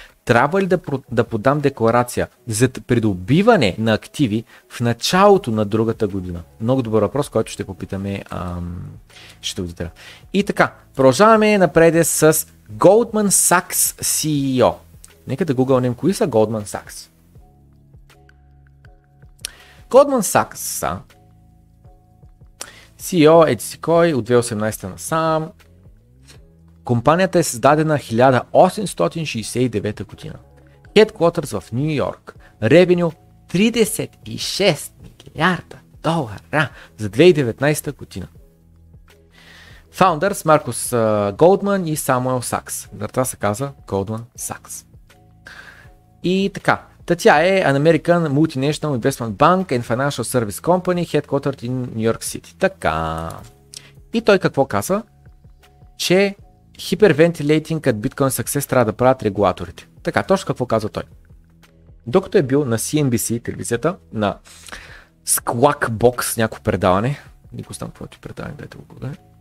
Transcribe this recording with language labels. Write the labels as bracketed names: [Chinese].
[Bulgarian] Трябва ли да подам декларация за придобиване на активи в началото на другата година? Много добър въпрос, който ще попитаме счетоводителя. И така, продължаваме напред с Goldman Sachs CEO. Нека да гугълнем кои са Goldman Sachs. Goldman Sachs са CEO Edisikoi от 2018 насам. Компанията е създадена 1869 година. Headquarters в Нью Йорк. Revenue 36 милиарда долара за 2019 година. Founders Маркус Голдман и Самуел Сакс. На това се казва Goldman Sachs. И така. Та тя е [English] an American Multinational Investment Bank and Financial Service Company, headquartered in New York City. [Bulgarian] Така. И той какво казва? Че [English] hyperventilating at Bitcoin success [Bulgarian] трябва да правят регулаторите. Така, точно какво казва той. Докато е бил на CNBC телевизията, на Squawk Box, някакво предаване. Нико знам какво ти предаване, дайте го гугле.